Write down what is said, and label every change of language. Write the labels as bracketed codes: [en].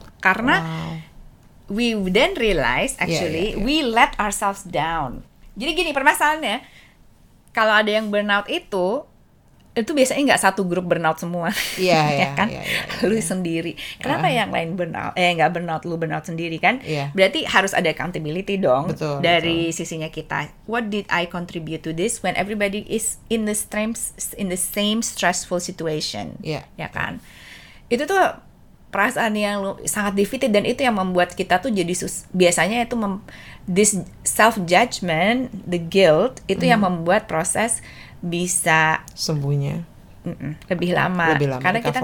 [id] Karena [en] we then realize actually we let ourselves down. [id] Jadi gini permasalahannya, kalau ada yang burnout itu biasanya nggak satu grup burnout semua, ya kan? Lu sendiri. Kenapa yang lain burnout? Nggak burnout, lu burnout sendiri kan? [en] Yeah. [id] Berarti harus ada accountability dong, betul, dari betul. Sisinya kita. [en] What did I contribute to this when everybody is in the same stressful situation? Yeah. [id] Ya kan? Itu tuh perasaan yang sangat defeated, dan itu yang membuat kita tuh jadi biasanya itu [en] this self judgment, the guilt [id] itu yang membuat proses bisa sembuhnya lebih lama karena kita